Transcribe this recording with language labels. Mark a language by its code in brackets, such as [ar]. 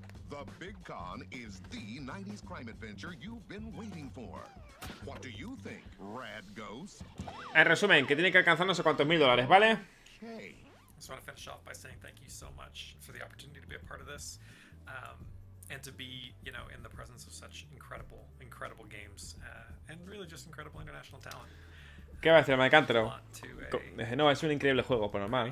[en] The Big Con is the 90s crime adventure you've been waiting for. What do you think, Rad Ghost? [es] En resumen, que tiene que alcanzar no sé cuántos mil dólares, ¿vale? [en] I just want to finish off by saying thank you so much for the opportunity to be a part of this. And to be, you know, in the presence of such incredible, incredible games. And really just incredible international talent. [es] ¿Qué va a decir, Maicántaro? No, es un increíble juego, por normal.